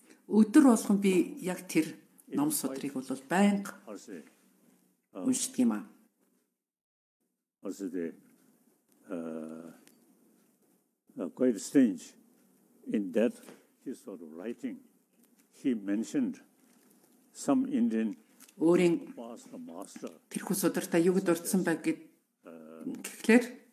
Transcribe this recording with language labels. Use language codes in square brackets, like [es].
[mn] Өдөр болгон би яг тэр ном судрыг бол байнга уншдаг юм аа. [en] Quite strange in that his sort of writing he mentioned some Indian [mn] өөрийн [en] master [mn] тэрхүү судартай юу дурдсан байг гэхлээр